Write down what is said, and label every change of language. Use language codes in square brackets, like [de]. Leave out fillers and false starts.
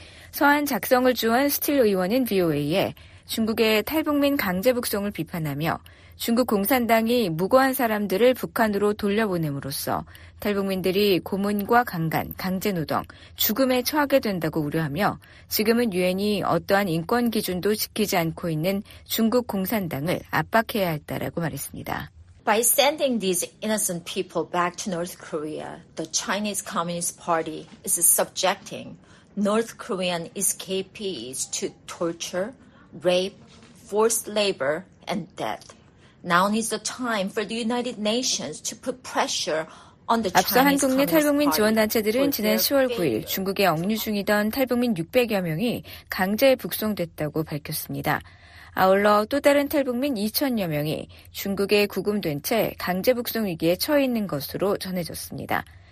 [ko] 서한 작성을 주한 스틸 의원은 VOA에 중국의 탈북민 강제북송을 비판하며 중국 공산당이 무고한 사람들을 북한으로 돌려보냄으로써 탈북민들이 고문과 강간, 강제노동, 죽음에 처하게 된다고 우려하며 지금은 유엔이 어떠한 인권 기준도 지키지 않고 있는 중국 공산당을 압박해야 했다라고 말했습니다. [en] By sending these innocent people back to North Korea, the Chinese Communist Party is subjecting North Korean escapees to torture, rape, forced labor, and death. Now is the time for the United Nations to put pressure on the Chinese. [ko] 앞서 한국 내 탈북민 지원단체들은 지난 10월 9일 중국에 억류 중이던 탈북민 600여 명이 강제 북송됐다고 밝혔습니다. 아울러 또 다른 탈북민 2천여 명이 중국에 구금된 채 강제 북송 위기에 처해 있는 것으로 전해졌습니다.